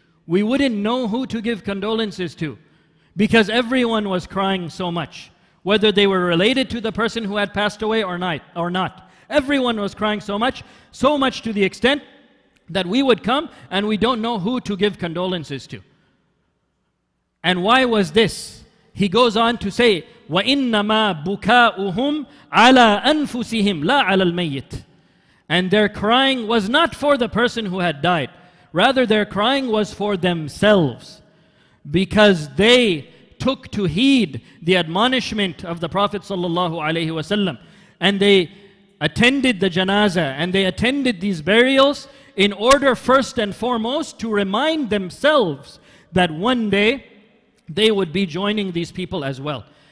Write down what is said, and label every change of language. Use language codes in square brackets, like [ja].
[en] We wouldn't know who to give condolences to because everyone was crying so much. whether they were related to the person who had passed away or not. Everyone was crying so much to the extent that we would come and we don't know who to give condolences to. And why was this? He goes on to say, [ar] وَإِنَّمَا بُكَاؤُهُمْ عَلَىٰ أَنفُسِهِمْ لَا عَلَىٰ الْمَيِّتِ. [en] And their crying was not for the person who had died. Rather, their crying was for themselves, because they took to heed the admonishment of the Prophet ﷺ, and they attended the janazah and they attended these burials in order first and foremost to remind themselves that one day they would be joining these people as well.